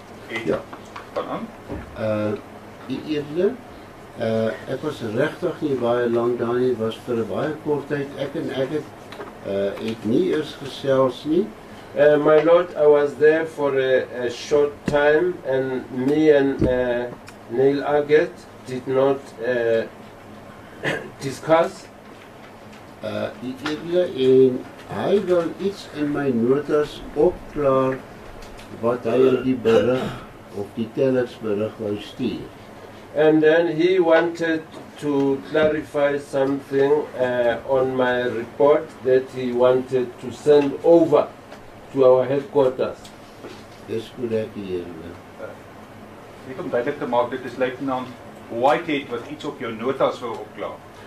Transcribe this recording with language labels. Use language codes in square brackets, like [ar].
[af] Ek was regtig nie baie lang daar nie, was vir a baie kort tyd. Ek en ek het, het nie eers gesels nie. [en] My lord, I was there for a short time and me and Neil Aggett did not discuss. [af] En hy wil iets in my notas opklaar wat hy in die berig of die telexberig wou stuur. [en] And then he wanted to clarify something on my report that he wanted to send over to our headquarters. [af] Dis goed ek hier. Ek kom duidelik te maak, dit is Lieutenant Whitehead wat iets op jou notas wil opklaar.